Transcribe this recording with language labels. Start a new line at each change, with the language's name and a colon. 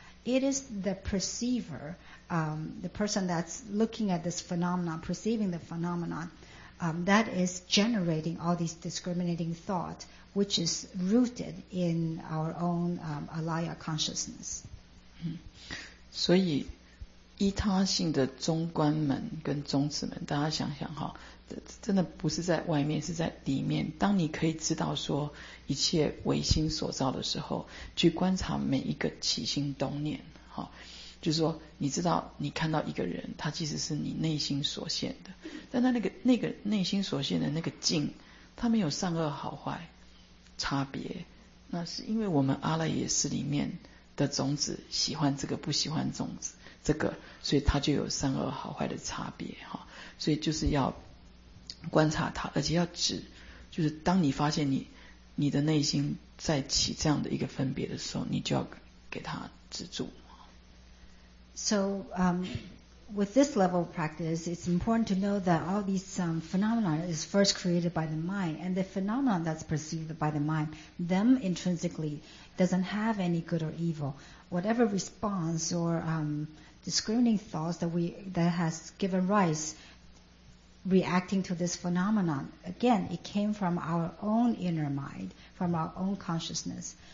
English: It is the perceiver, the person that's looking at this phenomenon, perceiving the phenomenon, that is generating all these discriminating thought, which is rooted in our own alaya consciousness.
Chinese: 所以, 依他性的中观门跟中止门, 大家想想哈, 真的不是在外面, 是在里面, 当你可以知道说, 一切唯心所造的时候, 去观察每一个起心动念, 好, 就是说, 你知道你看到一个人, 他其实是你内心所现的, 但那个内心所现的那个境, 他没有善恶好坏, 差别, 那是因为我们阿赖耶识里面, 的种子, 喜欢这个不喜欢种子, 这个, 所以它就有善恶好坏的差别, 哦, 所以就是要观察它, 而且要止, 就是当你发现你, 你的内心在起这样的一个分别的时候, 你就要给它止住。
English: So, with this level of practice, it's important to know that all these phenomena is first created by the mind, and the phenomena that's perceived by the mind, them intrinsically, doesn't have any good or evil. Whatever response or discriminating thoughts that has given rise reacting to this phenomenon, again, it came from our own inner mind, from our own consciousness.